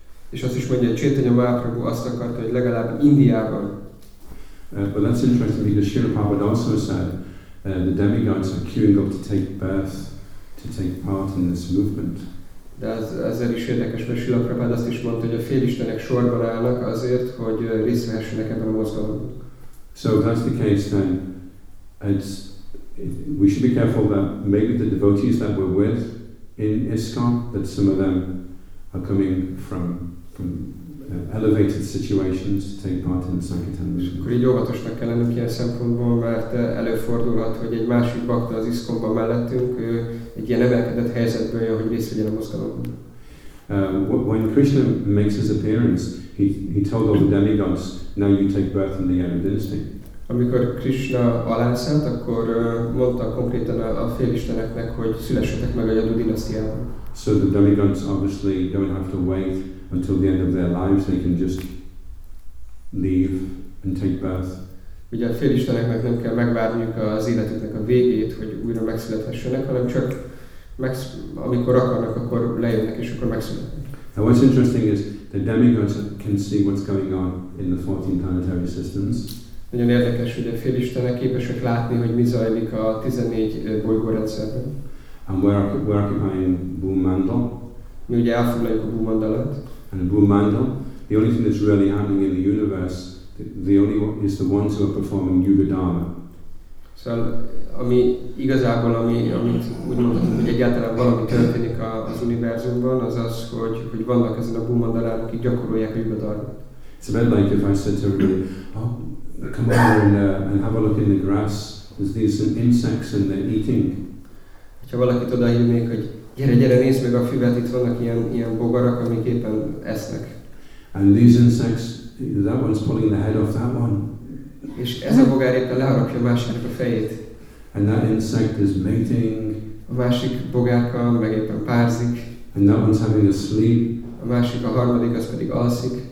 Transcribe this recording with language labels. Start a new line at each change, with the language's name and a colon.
Hungarian: És azt is mondja, hogy Chaitanya Mahaprabhu azt akarta, hogy legalább Indiában.
English: But that's interesting because Srila Prabhupada also said the demigods are queuing up to take birth, to take part in this movement.
Hungarian: De ezzel is érdekes, mert Srila Prabhupada azt is mondta, hogy a félistenek sorban állnak azért, hogy részt vehessenek ebben a mozgalomban.
English: So if that's the case, then we should be careful that maybe the devotees that we're with in ISKCON, that some of them are coming from elevated situations to take part in the Sankirtan movement.
Hungarian: Akkor így óvatosnak kell lennünk ilyen szempontból, mert előfordulhat, hogy egy másik bakta az ISKCON-ban mellettünk, ő egy ilyen emelkedett helyzetből jön, hogy részt vegyen a mozgalomban.
English: When Krishna makes his appearance, he told all the demigods, now you take birth in the Yadu dynasty.
Hungarian: Amikor Krishna alászent, akkor mondta konkrétan a félisteneknek, hogy szülessetek meg a Yadu dinasztiában.
English: So the demigods obviously don't have to wait until the end of their lives, they can just leave and take birth.
Hungarian: Ugye a félisteneknek nem kell megvárniuk az életüknek a végét, hogy újra megszülethessenek, hanem csak amikor akarnak, akkor lejönnek és akkor megszületnek.
English: Now what's interesting is the demigods can see what's going on in the 14 planetary systems.
Hungarian: Nagyon érdekes, hogy a félistenek képesek látni, hogy mi zajlik a 14 bolygórendszerben.
English: And we're occupying Bhumandal.
Hungarian: Mi ugye elfoglaljuk a Bhumandalat.
English: And Bhumandal, the only thing that's really happening in the universe, the only one is the ones who are performing Yuga Dharma.
Hungarian: Szóval, ami igazából, amit úgy mondhatunk, hogy egyáltalán valami történik az univerzumban, az az, hogy vannak ezen a Bhumandalán, akik gyakorolják Yuga Dharmát.
English: It's a bit like if I said to everybody, oh, come over and have a look in the grass, there's these insects and they're eating.
Hungarian: Ha valakit odahívnék, hogy gyere, nézd meg a füvet, itt vannak ilyen bogarak, amik éppen esznek.
English: And these insects, that one's pulling the head off that one.
Hungarian: És ez a bogár éppen leharapja a másiknak a fejét.
English: And that insect is mating.
Hungarian: A másik bogárkal meg éppen párzik.
English: And that one's having a sleep.
Hungarian: A másik, a harmadik, az pedig alszik.